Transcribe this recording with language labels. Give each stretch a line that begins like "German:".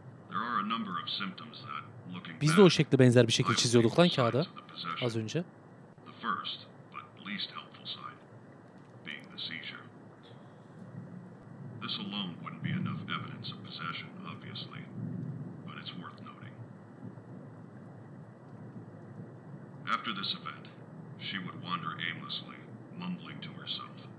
English: There are a number of symptoms that looking
Turkish: biz de o şekli benzer bir şekil çiziyorduk lan kağıda az önce.
English: The first but least helpful sign being the seizure. This alone wouldn't be enough evidence of possession, obviously, but it's worth noting. After this event, she would wander aimlessly, mumbling to herself.